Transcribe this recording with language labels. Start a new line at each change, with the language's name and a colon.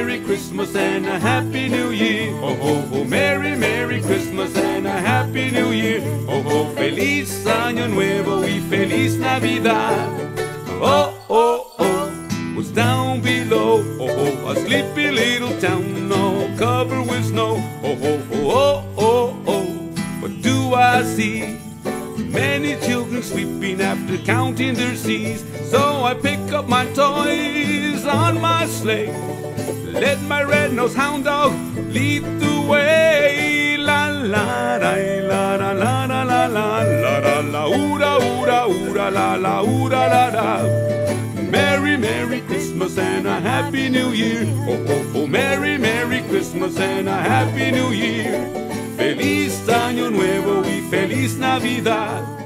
English: Christmas and a happy new year. Oh, oh, oh, merry, merry Christmas and a happy new year.
Spanish: Oh, oh, feliz año nuevo y feliz Navidad.
English: Oh, oh, oh, what's down below? Oh, oh, a sleepy little town all covered with snow. Oh, oh, oh, oh, oh, oh, what do I see? Many children sleeping after counting their C's. So I pick up my toys on my sleigh. Let my red-nosed hound dog lead the way. La la la la la la la la la la la la la la la la la la la la. Merry, merry Christmas and a happy new year. Oh, oh, oh, merry, merry Christmas and a happy new year.
Spanish: Feliz año nuevo y feliz Navidad.